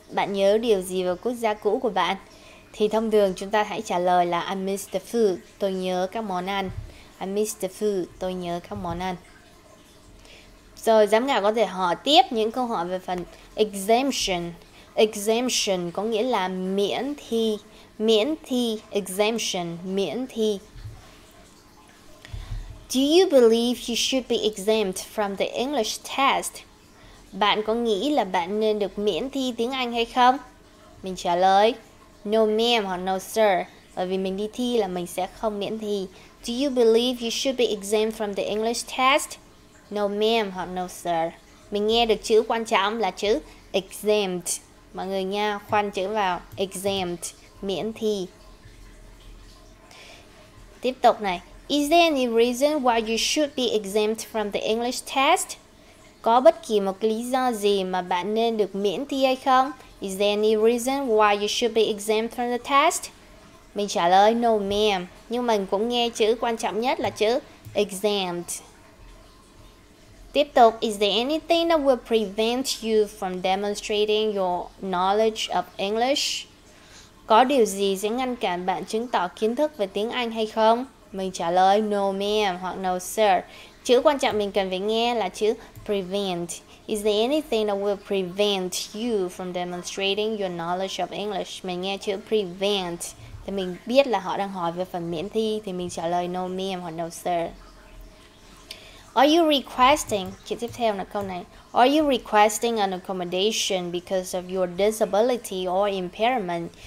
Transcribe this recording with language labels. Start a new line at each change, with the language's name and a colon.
Vietnamese: Bạn nhớ điều gì về quốc gia cũ của bạn? Thì thông thường chúng ta hãy trả lời là
English: I miss the food,
Vietnamese: tôi nhớ các món ăn.
English: I miss the food,
Vietnamese: tôi nhớ các món ăn. Rồi giám khảo có thể hỏi tiếp những câu hỏi về phần exemption. Exemption có nghĩa là miễn thi. Miễn thi, exemption, miễn thi.
English: Do you believe you should be exempt from the English test?
Vietnamese: Bạn có nghĩ là bạn nên được miễn thi tiếng Anh hay không? Mình trả lời,
English: no ma'am
Vietnamese: hoặc
English: no sir.
Vietnamese: Bởi vì mình đi thi là mình sẽ không miễn thi.
English: Do you believe you should be exempt from the English test? No ma'am hoặc no sir.
Vietnamese: Mình nghe được chữ quan trọng là chữ exempt. Mọi người nha, khoan chữ vào, exempt, miễn thi. Tiếp tục này.
English: Is there any reason why you should be exempt from the English test?
Vietnamese: Có bất kỳ một lý do gì mà bạn nên được miễn thi hay không?
English: Is there any reason why you should be exempt from the test?
Vietnamese: Mình trả lời
English: no ma'am.
Vietnamese: Nhưng mình cũng nghe chữ quan trọng nhất là chữ exempt. Tiếp tục,
English: is there anything that will prevent you from demonstrating your knowledge of English?
Vietnamese: Có điều gì sẽ ngăn cản bạn chứng tỏ kiến thức về tiếng Anh hay không? Mình trả lời
English: no ma'am
Vietnamese: hoặc
English: no sir.
Vietnamese: Chữ quan trọng mình cần phải nghe là chữ prevent.
English: Is there anything that will prevent you from demonstrating your knowledge of English?
Vietnamese: Mình nghe chữ prevent thì mình biết là họ đang hỏi về phần miễn thi. Thì mình trả lời
English: no ma'am hoặc no sir. Are you requesting,
Vietnamese: chữ tiếp theo là câu này,
English: are you requesting an accommodation because of your disability or impairment?